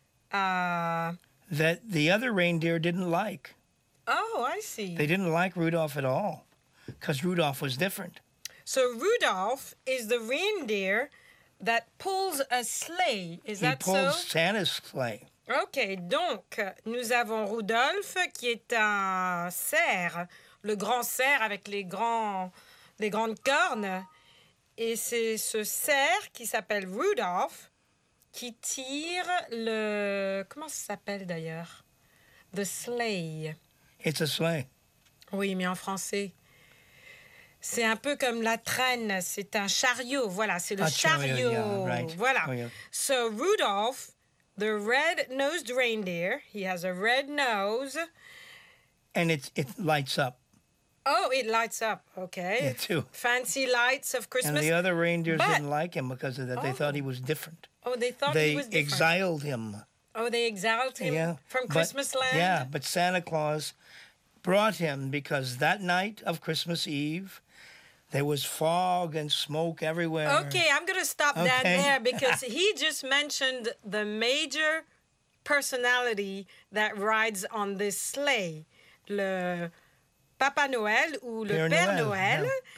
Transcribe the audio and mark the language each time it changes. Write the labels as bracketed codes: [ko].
[en] That the other reindeer didn't like. Oh, I see. They didn't like Rudolph at all, because Rudolph was different. So Rudolph is the reindeer that pulls a sleigh, is that so? He pulls Santa's sleigh. [fr] Okay, donc, nous avons Rudolph qui est un cerf, le grand cerf avec les grandes cornes. Et c'est ce cerf qui s'appelle Rudolph qui tire le... Comment ça s'appelle d'ailleurs? [en] The sleigh. It's a sleigh. [fr] Oui, mais en français... C'est un peu comme la traîne, c'est un chariot, voilà, c'est le chariot, [en] yeah, right. [fr] Voilà. [en] Oh, yeah. So Rudolph, the red-nosed reindeer, he has a red nose. And it lights up. Oh, it lights up, okay. Yeah, too. Fancy lights of Christmas. And the other reindeers didn't like him because of that. Oh. They thought he was different. Oh, they thought they he was different. They exiled him. Oh, they exiled him from Christmas land? Yeah, but Santa Claus... brought him because that night of Christmas Eve, there was fog and smoke everywhere. Okay, I'm going to stop that there because he just mentioned the major personality that rides on this sleigh. [fr] Le Papa Noël ou le Père Noël.